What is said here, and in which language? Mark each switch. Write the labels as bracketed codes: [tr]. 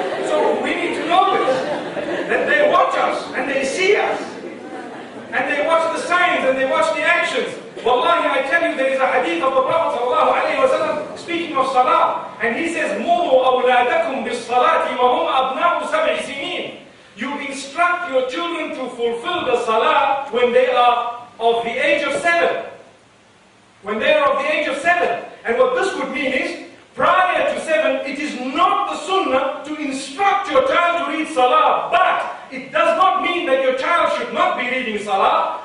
[en] So we need to know this, that they watch us, and they see us, and they watch the signs, and they watch the actions. Wallahi, I tell you, there is a hadith of the Prophet sallallahu alayhi wa sallam speaking of salah. And he says, [ar] مُوْوُوا أَوْلَادَكُمْ بِالصَّلَاةِ وَهُمْ أَبْنَاءُ سَبْعِ سِنِينَ. [en] You instruct your children to fulfill the salah when they are of the age of 7. When they are of the age of 7. And what this would mean is, prior to 7, it is not the sunnah to instruct your child to read salah. But it does not mean that your child should not be reading salah.